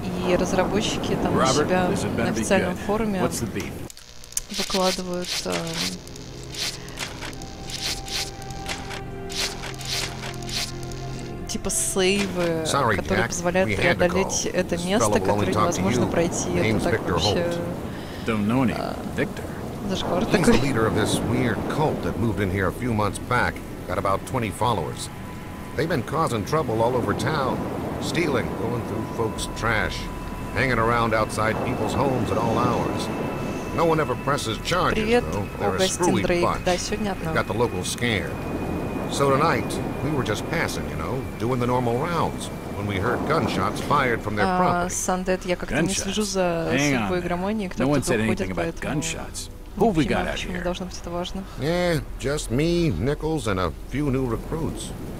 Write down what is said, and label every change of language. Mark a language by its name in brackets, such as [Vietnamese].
[Russian] И разработчики там у себя на официальном форуме выкладывают... типа сейвы, которые позволяют преодолеть это место, которое невозможно пройти. Это так вообще... [English] Don't know any. Victor. He's the leader of this weird cult that moved in here a few months back. Got about 20 followers. They've been causing trouble all over town. Stealing, going through folks' trash. Hanging around outside people's homes at all hours. No one ever presses charges, though. They're a screwy bunch. They got the locals scared. So tonight, we were just passing, you know, doing the normal rounds. When we heard gunshots fired from their property. [Russian] Сандет, я как-то не слежу за судьбой игромании, кто-то тут уходит, поэтому... [English] Who have we got out here? [Russian] Должно быть это важно. [English] Yeah, just me, Nichols, and a few new recruits.